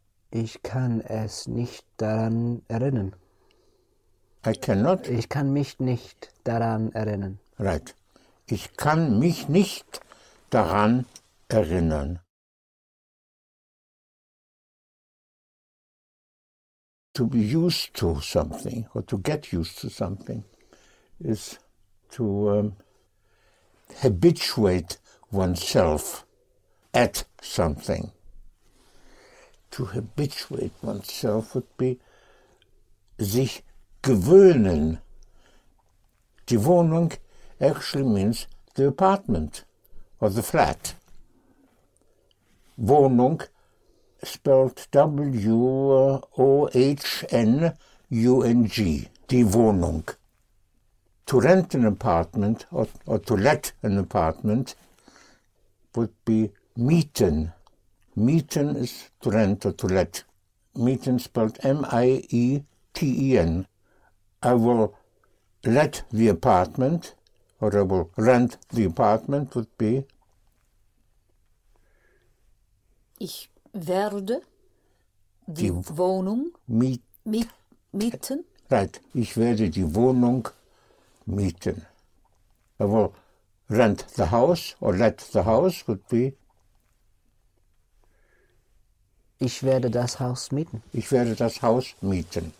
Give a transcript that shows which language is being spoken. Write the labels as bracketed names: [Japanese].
[German] Ich kann es nicht daran erinnern. [English] I cannot. [German] Ich kann mich nicht daran erinnern. [English] Right. [German] Ich kann mich nicht daran erinnern. [English] To be used to something or to get used to something is to habituate oneself at something. To habituate oneself would be [German] sich gewöhnen. [English] Die Wohnung actually means the apartment or the flat. Wohnung spelled W-O-H-N-U-N-G, die Wohnung. To rent an apartment or to let an apartment would be mieten. Mieten is to rent or to let. Mieten spelled M-I-E-T-E-N. I will let the apartment or I will rent the apartment would be [German] ich werde die Wohnung mieten. [English] Right. [German] Ich werde die Wohnung mieten. [English] I will rent the house or let the house would be [German] ich werde das Haus mieten. Ich werde das Haus mieten.